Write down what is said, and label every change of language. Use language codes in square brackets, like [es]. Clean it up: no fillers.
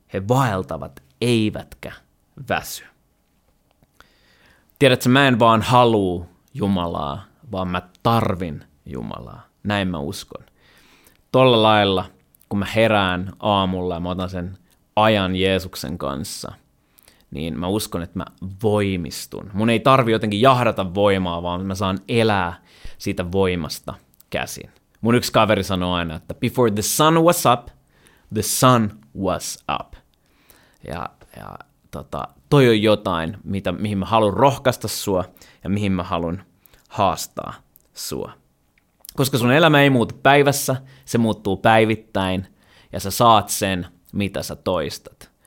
[fi] He vaeltavat eivätkä väsy. Tiedätkö, mä en vaan haluu Jumalaa, vaan mä tarvin Jumalaa. Näin mä uskon. Tolla lailla, kun mä herään aamulla ja mä otan sen ajan Jeesuksen kanssa, niin mä uskon, että mä voimistun. Mun ei tarvi jotenkin jahdata voimaa, vaan mä saan elää siitä voimasta käsin. Mun yksi kaveri sanoo aina, että [en] before the sun was up, the sun was up. [fi] Ja toi on jotain, mihin mä haluan rohkaista sua ja mihin mä haluan haastaa sua. Koska sun elämä ei muutu päivässä, se muuttuu päivittäin ja sä saat sen, mitä sä toistat.